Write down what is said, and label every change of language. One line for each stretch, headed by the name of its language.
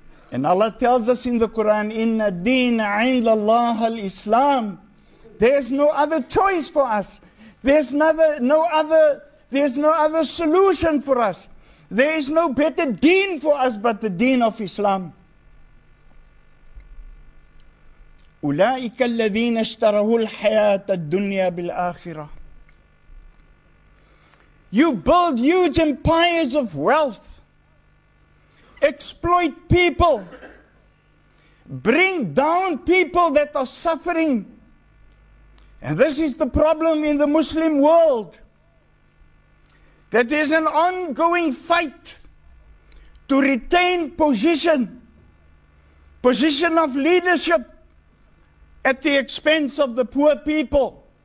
English: And Allah tells us in the Quran,
Arabic: Inna deen indallah al-Islam.
English: There's no other choice for us. There's no other solution for us. There is no better deen for us but the deen of Islam.
Arabic: أولئك الذين اشتروا الحياة الدنيا بالآخرة.
English: You build huge empires of wealth, exploit people, bring down people that are suffering. And this is the problem in the Muslim world, that there's an ongoing fight to retain position of leadership, at the expense of the poor people.